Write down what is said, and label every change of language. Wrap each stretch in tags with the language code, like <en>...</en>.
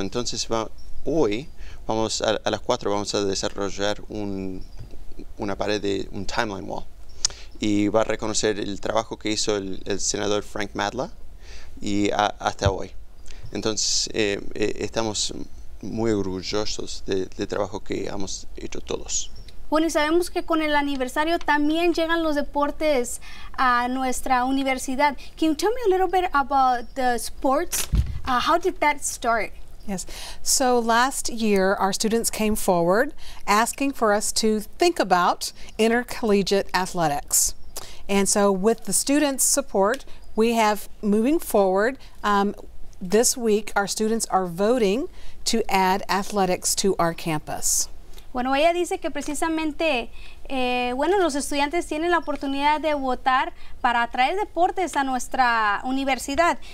<es>Entonces hoy vamos a las 4 vamos a desarrollar una pared de un timeline wall, y va a reconocer el trabajo que hizo el senador Frank Matla y hasta hoy. Entonces estamos muy orgullosos del trabajo que hemos hecho todos. Bueno, y sabemos que con el aniversario también llegan los deportes a nuestra universidad.</es> <en>Can you tell me a little bit about the sports? How did that start? Yes. So last year, our students came forward asking for us to think about intercollegiate athletics. And so with the students' support, we have moving forward. This week, our students are voting to add athletics to our campus.</en> <es>Bueno, ella dice que precisamente, bueno, los estudiantes tienen la oportunidad de votar para atraer deportes a nuestra universidad.</es>